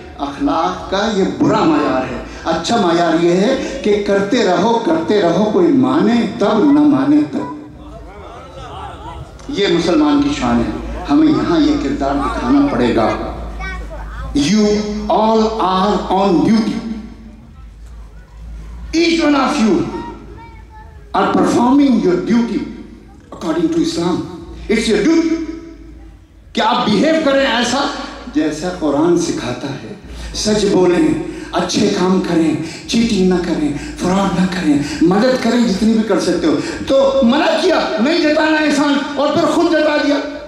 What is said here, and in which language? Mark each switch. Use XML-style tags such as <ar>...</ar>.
<hi>अखलाक का ये बुरा मायार है. अच्छा मायार ये है कि करते रहो, कोई माने तब ना माने तब. ये मुसलमान की शान है, हमें यहां ये किरदार दिखाना पड़ेगा.</hi> <en>You all are on duty, each one of you are performing your duty according to Islam. It's your duty.</en> <hi>कि आप बिहेव करें ऐसा जैसा कुरान सिखाता है, सच बोलें, अच्छे काम करें, चीटिंग ना करें, फ्रॉड ना करें, मदद करें जितनी भी कर सकते हो. तो मना किया, नहीं जताना एहसान, और फिर खुद जता दिया.</hi>